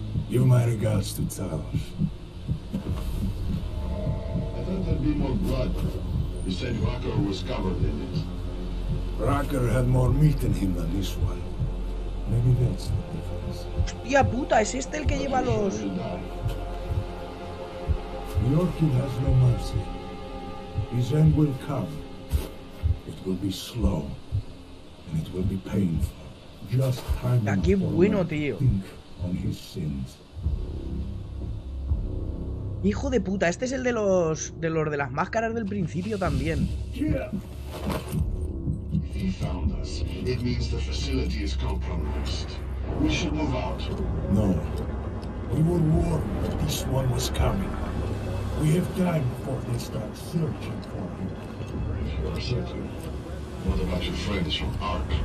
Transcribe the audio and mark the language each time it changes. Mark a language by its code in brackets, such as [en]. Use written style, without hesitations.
[en] Give my regards to Talos. I thought there'd be more blood. You said Rucker was covered in it. Rucker had more meat in him than this one. Maybe that's the difference. [es] Hostia puta, ¿es este el que lleva los...? [en] The Orchid has no mercy. His end will come. It will be slow. And it will be painful. Just time [es] bueno, tío. [en] Think on his sins. [es] Hijo de puta, este es el de los. De los de las máscaras del principio también. [en] If he found us, it means the facility is compromised. We should move out. No. We were warned that this one was coming. We have time before they start searching for him. If you are certain. What about your friends from Ark?